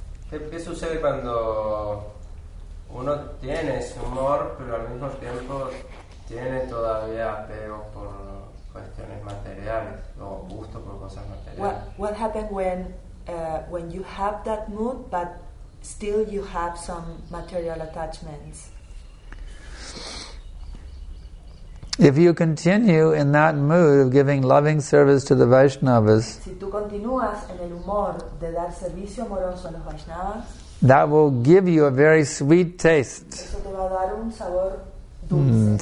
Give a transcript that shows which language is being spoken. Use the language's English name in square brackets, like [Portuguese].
[Spanish] ¿Qué sucede cuando uno tiene su humor pero al mismo tiempo tiene todavía apego por cuestiones materiales o gusto por cosas materiales? [English] What happens when you have that mood but still you have some material attachments? If you continue in that mood of giving loving service to the Vaishnavas, [Spanish] si tú continúas en el humor de dar servicio amoroso a los Vaishnavas, [English] that will give you a very sweet taste. [Spanish] Eso te va a dar un sabor dulce.